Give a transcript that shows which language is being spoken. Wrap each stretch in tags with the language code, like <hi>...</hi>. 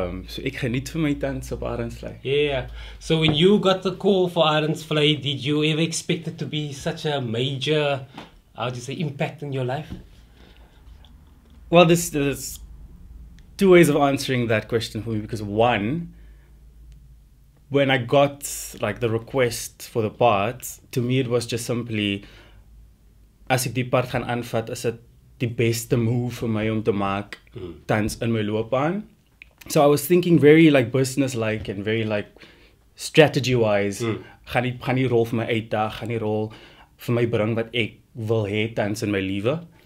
<af>So ek geniet van my tans op Arendsvlei.</af> <en>So when you got the call for Arendsvlei, did you ever expect it to be such a major, how do you say, impact in your life? Well, there's two ways of answering that question for me, because one, when I got like the request for the part, to me it was just simply,</en> <af>as ek die part gaan aanvat,</af> <en>is it</en> <af>die beste move vir my om te maak tans in my loopbaan.</af> <en>So I was thinking very like business-like and very like strategy-wise.</en> <af>Gaan die rol vir my uitdag, gaan die rol vir my bring wat ek wil hê tans in my lewe.</af>